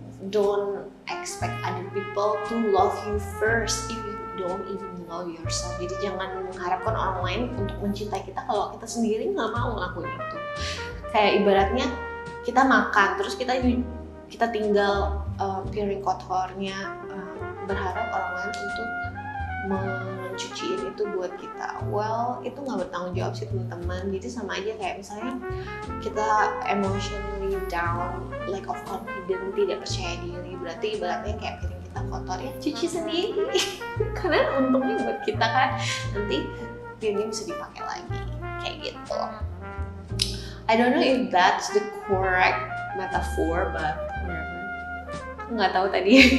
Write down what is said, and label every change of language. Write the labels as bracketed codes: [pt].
[en] Don't expect other people to love you first if you don't even love yourself. [id] Jadi jangan mengharapkan orang lain untuk mencintai kita kalau kita sendiri nggak mau ngelakuin itu. Kayak ibaratnya kita makan terus kita tinggal piring kotornya, berharap orang lain untuk mencuciin itu buat kita. Well, itu nggak bertanggung jawab sih teman-teman. Jadi sama aja kayak misalnya kita [en] emotionally down, lack of confidence, [id] tidak percaya diri, berarti ibaratnya kayak piring kita kotor, ya cuci sendiri. Karena untungnya buat kita kan, nanti piringnya bisa dipakai lagi, kayak gitu. [en] I don't know if that's the correct metaphor, but [id] nggak tahu tadi.